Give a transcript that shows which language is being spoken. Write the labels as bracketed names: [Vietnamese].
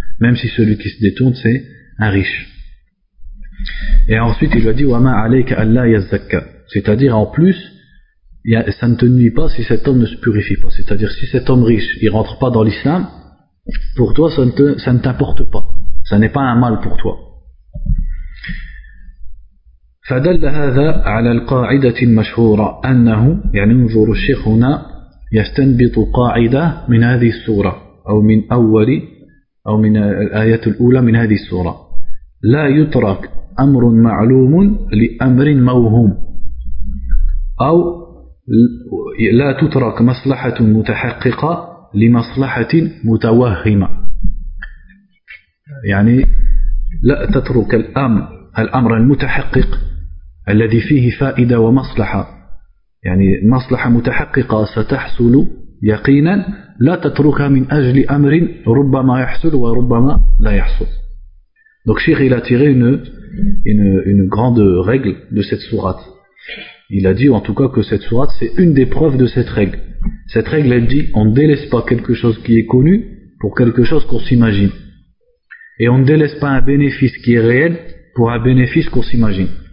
[French] Même si celui qui se détourne, c'est un riche. Et ensuite, il lui a dit, [Arabic] وَمَا عَلَيْكَ أَلَّا يَزَّكَّ. [French] C'est-à-dire, en plus, ça ne te nuit pas si cet homme ne se purifie pas. C'est-à-dire, si cet homme riche, il ne rentre pas dans l'islam, pour toi, ça ne t'importe pas. Ça n'est pas un mal pour toi. [Arabic] فَدَلَّ هَذَا عَلَى الْقَاعِدَةِ الْمَشْهُورَ أَنَّهُ يعني انظر الشيخ هنا يستنبط قاعدة من هذه السورة أو من أول أو من الآيات الأولى من هذه السورة لا يترك أمر معلوم لأمر موهوم أو لا تترك مصلحة متحققة لمصلحة متوهمة يعني لا تترك الأمر المتحقق الذي فيه فائدة ومصلحة يعني مصلحة متحققة ستحصل يقينا لا تتركها من أجل أمر ربما يحصل وربما لا يحصل. [French] Donc Cheikh il a tiré une grande règle de cette sourate. Il a dit en tout cas que cette sourate c'est une des preuves de cette règle. Cette règle elle dit, on ne délaisse pas quelque chose qui est connu pour quelque chose qu'on s'imagine. Et on ne délaisse pas un bénéfice qui est réel pour un bénéfice qu'on s'imagine.